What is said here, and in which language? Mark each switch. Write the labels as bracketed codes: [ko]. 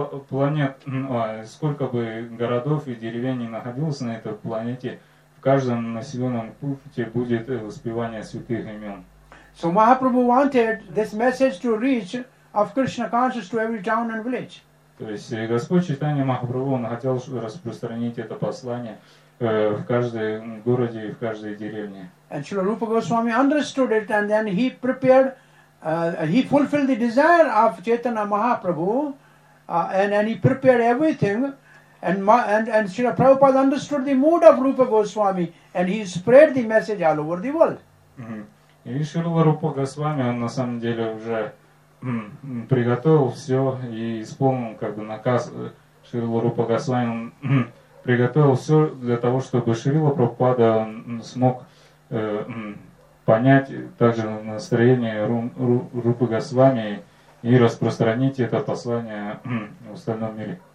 [ru] И сколько бы городов и деревень не находилось на этой планете, в каждом населенном пункте будет воспевание святых имен. [en] So Mahaprabhu wanted this message to reach of Krishna consciousness to every town and village. [ru] То есть Господь Чайтанья Махапрабху, он хотел распространить это послание в каждом городе и в каждой деревне. [en] And Srila Rupa Goswami understood it and then he prepared. He fulfilled the desire of Chaitanya Mahaprabhu and he prepared everything and Srila Prabhupada understood the mood of Rupa Goswami and he spread the message all over the world. [ru] И Шрила Рупа Госвами, он на самом деле уже приготовил все и исполнил как бы наказ. Шрила Рупа Госвами приготовил все для того, чтобы Шрила Прабхупада смог понять также настроение Рупы Госвами и распространить это послание в остальном мире.